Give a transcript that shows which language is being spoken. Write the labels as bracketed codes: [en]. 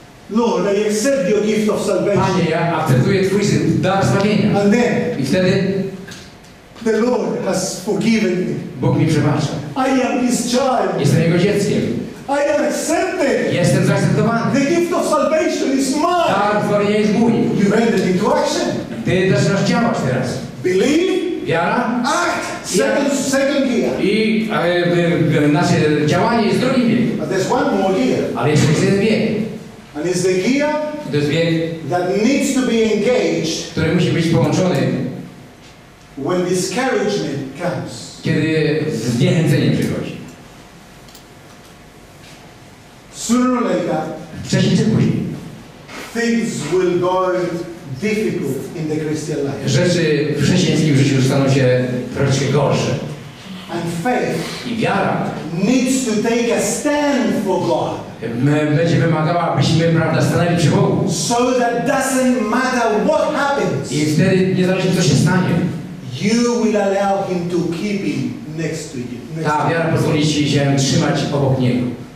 [en] Lord, I accept your gift of salvation. [pl] Panie, ja akceptuję Twój dar zbawienia. [en] And then, [pl] i wtedy, [en] the Lord has forgiven me. [pl] Bóg mi przebacza. [en] I am his child. [pl] Jestem jego dzieckiem. [en] I am accepted. [pl] Jestem zaakceptowany. [en] The gift of salvation is mine. [pl] Dar zbawienia jest mój. [en] You made it into action. [pl] Ty zaczynasz działać teraz. [en] Believe. [pl] Wiara. [en] Act. Second gear. [pl] I nasze działanie jest drugim biegiem. [en] But there's one more gear. [pl] Ale jeszcze jest jeden bieg. [en] And it's the gear. [pl] To jest bieg. [en] That needs to be engaged. [pl] Który musi być połączony. [en] When discouragement comes. [pl] Kiedy zniechęcenie przychodzi. [en] Sooner or later, [pl] wcześniej czy później, [en] things will go difficult in the Christian life. [pl] Rzeczy w chrześcijańskim życiu staną się troszkę gorsze. [en] And faith [pl] i wiara [en] needs to take a stand for God. [pl] Będzie wymagała, abyśmy, prawda, stanęli przy Bogu. [en] So that doesn't matter what happens. [pl] I wtedy nie zależy, co się stanie. [en] You will allow him to keep him next to you. Next [pl] ta wiara pozwoli ci się trzymać obok niego.